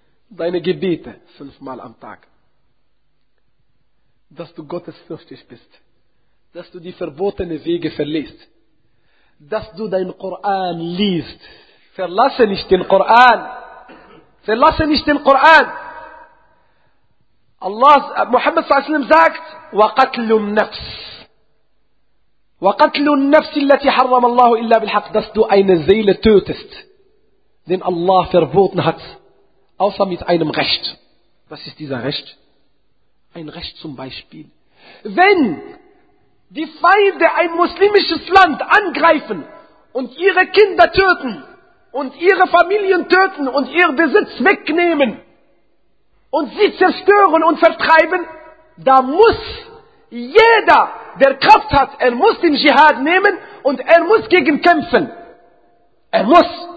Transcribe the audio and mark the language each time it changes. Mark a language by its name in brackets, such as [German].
[German] Deine Gebete 5-mal am Tag. Dass du gottesfürchtig bist. Dass du die verbotenen Wege verlässt. Dass du dein Koran liest. Verlasse nicht den Koran. Verlasse nicht den Koran. Allah, Muhammad sallallahu alaihi wasallam sagt, [Arabic] وَقَتْلُ النَّفْسِ وَقَتْلُ النَّفْسِ الَّتِي حَرَّمَ اللَّهُ إِلَّا بِالْحَقِّ. [German] Dass du eine Seele tötest, den Allah verboten hat, außer mit einem Recht. Was ist dieser Recht? Ein Recht zum Beispiel. Wenn die Feinde ein muslimisches Land angreifen und ihre Kinder töten und ihre Familien töten und ihr Besitz wegnehmen und sie zerstören und vertreiben, da muss jeder, der Kraft hat, er muss den Dschihad nehmen und er muss gegen kämpfen. Er muss.